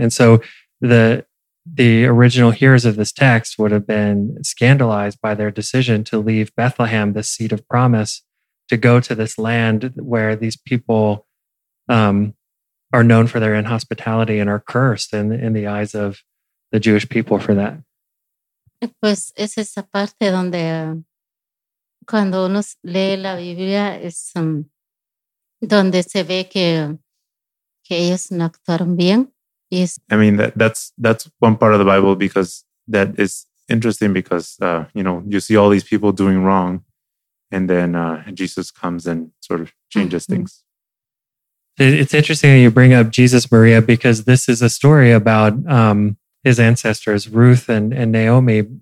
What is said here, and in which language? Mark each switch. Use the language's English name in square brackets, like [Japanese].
[English] And so the original hearers of this text would have been scandalized by their decision to leave Bethlehem, the seat of promise, to go to this land where these people are known for their inhospitality and are cursed in the eyes of the Jewish people for that. [Spanish] Pues es esa parte donde cuando uno lee la Biblia es donde se ve que ellos no actuaron bien. [English] Yes. I mean, that's one part of the Bible, because that is interesting, because, you know, you see all these people doing wrong, and then Jesus comes and sort of changes mm-hmm. things. It's interesting that you bring up Jesus, Maria, because this is a story about his ancestors, Ruth and Naomi.